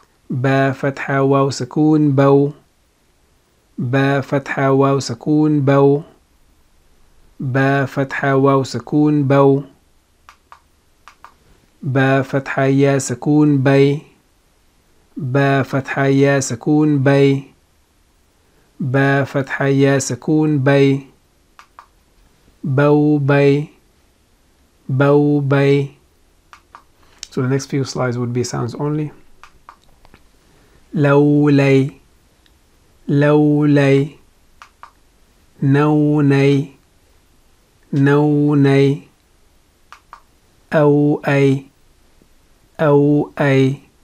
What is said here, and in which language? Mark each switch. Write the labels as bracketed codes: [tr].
[ar] با فتحة واو سكون بو با فتحة واو سكون بو با فتحة واو سكون بو با فتحة يا سكون بي با فتحة يا سكون بي با فتحة يا سكون بي بو بي بو بي. [en] So the next few slides would be sounds only. [ar] لولي لولي نوني نوني أو أي أو أي